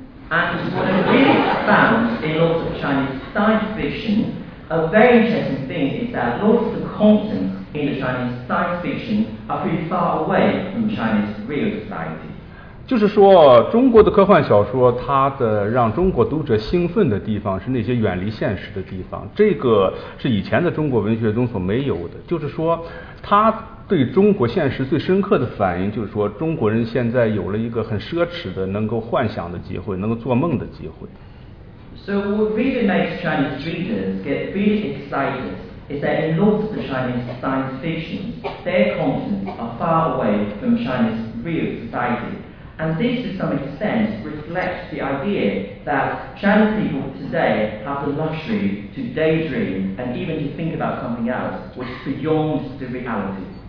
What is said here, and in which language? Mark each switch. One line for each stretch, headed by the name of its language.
English: And what I really found in lots of Chinese science fiction, a very interesting thing is that lots of the content in the Chinese science fiction are pretty far away from Chinese real society.
Chinese: 就是说，中国的科幻小说，它的让中国读者兴奋的地方是那些远离现实的地方。这个是以前的中国文学中所没有的。就是说，它对中国现实最深刻的反应，就是说，中国人现在有了一个很奢侈的能够幻想的机会，能够做梦的机会。
English: So what really makes Chinese readers get really excited is that in lots of the Chinese science fiction, their content are far away from Chinese real society. And this, to some extent, reflects the idea that Chinese people today have the luxury to daydream and even to think about something else which is beyond the reality.